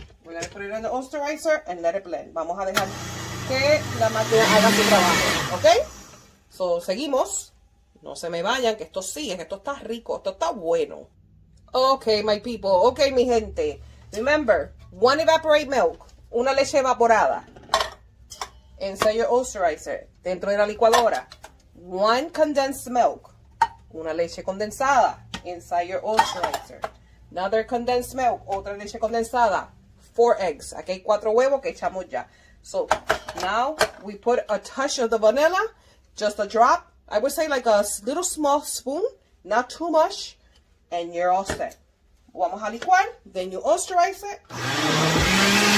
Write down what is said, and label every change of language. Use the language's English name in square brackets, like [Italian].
[English] We're going to put it in the oysterizer and let it blend. [Spanish] Vamos a dejar que la máquina haga su trabajo. Ok, so seguimos. No se me vayan, que esto sigue, que esto está rico, esto está bueno. [English] Ok, my people, ok, [Spanish] mi gente. [English] Remember, one evaporate milk, [Spanish] una leche evaporada. [English] Inside your oysterizer, [Spanish] dentro de la licuadora. [English] One condensed milk, [Spanish] una leche condensada. [English] Inside your oysterizer, another condensed milk, [Spanish] otra leche condensada. [English] Four eggs, [Spanish] aquí hay cuatro huevos que echamos ya. [English] So, now we put a touch of the vanilla, just a drop. I would say like a little small spoon, not too much, and you're all set. [Spanish] Vamos a licuar, [English] then you oysterize it.